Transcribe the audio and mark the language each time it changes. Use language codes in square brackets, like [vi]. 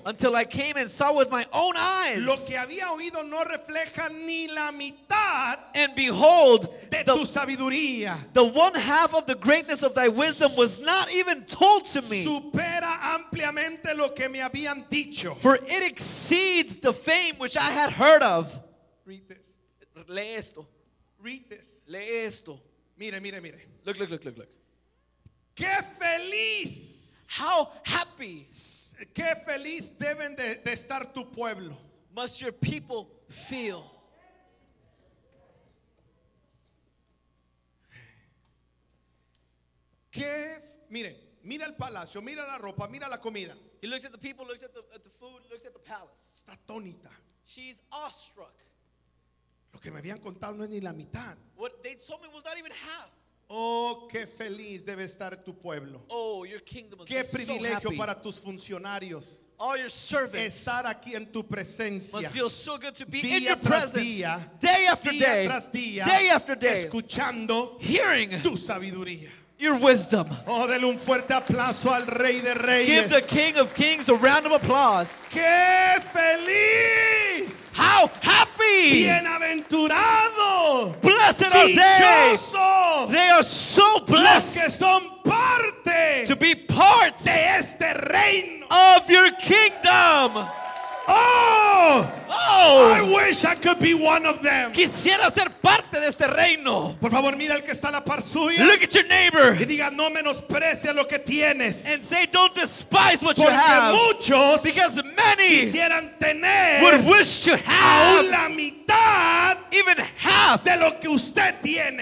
[en] until I came and saw with my own eyes. [es] Lo que había oído no refleja ni la mitad, [en] and behold, [es] de tu sabiduría, [en] the one half of the greatness of thy wisdom was not even told to me. [es] Supera ampliamente lo que me habían dicho. [en] For it exceeds the fame which I had heard of. Read this. [es] Lee esto. [en] Read this. [es] Lee esto. Mire, mire, mire. [en] Look, look, look, look, look. [es] Qué feliz. [en] How happy. [es] Qué feliz deben de estar tu pueblo. [en] Must your people feel. [es] Qué, mire. Mira el palacio, mira la ropa, mira la comida. [en] He looks at the people, looks at the food, looks at the palace. [es] Está atónita. [en] She's awestruck. [es] Lo que me habían contado no es ni la mitad. [en] What they told me was not even half. [es] Oh, qué feliz debe estar tu pueblo. [en] Oh, your kingdom must [es] qué [en] be [es] privilegio [en] so happy. [es] Para tus funcionarios. [en] All your servants [es] estar aquí en tu presencia. [en] Must feel so good to be [es] día [en] in your presence. [es] Día, [en] day after day, [es] tras día, [en] day after day, [es] escuchando [en] hearing [es] tu sabiduría. [en] Your wisdom. [es] Oh, dele un fuerte aplauso al Rey de Reyes. [en] Give the King of Kings a round of applause. [es] Qué feliz. [en] How happy. [es] Bienaventurado. [en] Blessed [es] dichoso. [en] Are they. They are so blessed. [es] Los que son parte [en] to be part [es] de este reino. [en] Of your kingdom. Oh, oh, I wish I could be one of them. [es] Quisiera ser parte de este reino. Por favor, mira el que está a la par suya. [en] Look at your neighbor. [es] Y diga, no menosprecia lo que tienes. [en] And say, don't despise what [es] porque [en] you have. [es] Porque muchos, [en] because many, [es] quisieran tener, [en] would wish to have, [es] aún la mitad, [en] even half, [es] de lo que usted tiene,